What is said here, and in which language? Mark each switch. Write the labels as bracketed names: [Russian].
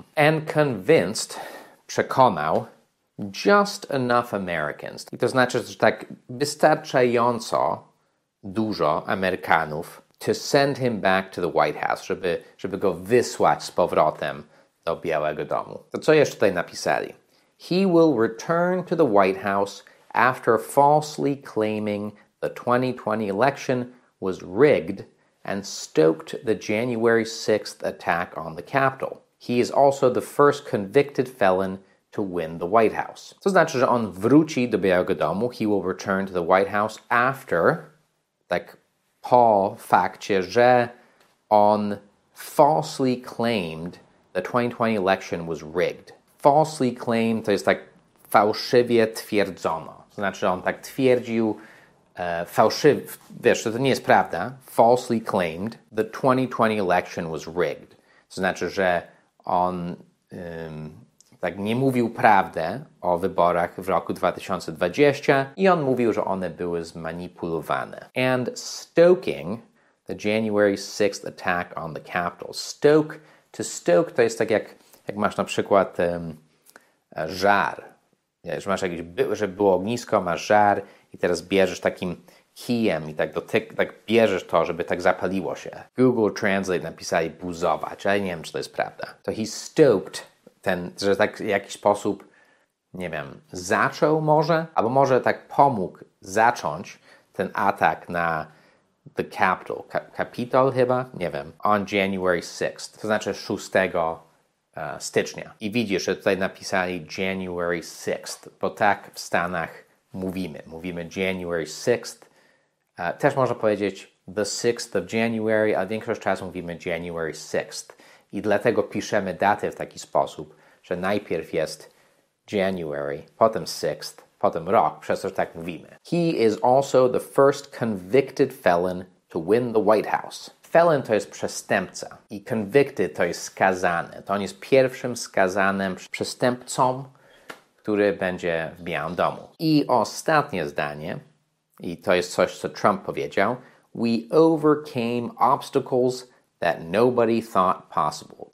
[English] And convinced, [Polish] przekonał, [English] just enough Americans. [Polish] I to znaczy, że tak wystarczająco dużo Amerykanów [English] to send him back to the White House, [Polish] żeby go wysłać z powrotem do Białego Domu. To co jeszcze tutaj napisali? [English] He will return to the White House after falsely claiming the 2020 election was rigged and stoked the January 6th attack on the Capitol. He is also the first convicted felon to win the White House. [Polish] To znaczy, że on wróci do Białego Domu. [English] He will return to the White House after, [Polish] tak, po fakcie, że on [English] falsely claimed the 2020 election was rigged. [Polish] Falsely claimed, to jest tak fałszywie twierdzono. To znaczy, on tak twierdził fałszywie, wiesz, to nie jest prawda. [English] Falsely claimed the 2020 election was rigged. [Polish] To znaczy, że on tak nie mówił prawdę o wyborach w roku 2020 i on mówił, że one były zmanipulowane. [English] And stoking the January 6th attack on the Capitol. [Polish] Stoke, to stoke to jest tak jak masz na przykład żar. Że masz jakieś, że było ognisko, masz żar i teraz bierzesz takim kijem i tak bierzesz to, żeby tak zapaliło się. Google Translate napisali buzować, ale nie wiem, czy to jest prawda. To [English] he stoked [Polish] ten, że tak w jakiś sposób, nie wiem, zaczął może, albo może tak pomógł zacząć ten atak na the Capitol, Capitol chyba, nie wiem, on January 6th, to znaczy 6 stycznia. I widzisz, że tutaj napisali January 6th, bo tak w Stanach mówimy January 6th, też można powiedzieć [English] the 6th of January, [Polish] a większość czasu mówimy January 6th. I dlatego piszemy datę w taki sposób, że najpierw jest January, potem 6th, potem rok, przez co tak mówimy. [English] He is also the first convicted felon to win the White House. [Polish] Felon to jest przestępca i convicted to jest skazany. To on jest pierwszym skazanym przestępcą, który będzie w Białym Domu. I ostatnie zdanie, i to jest coś, co Trump powiedział, [English] we overcame obstacles that nobody thought possible.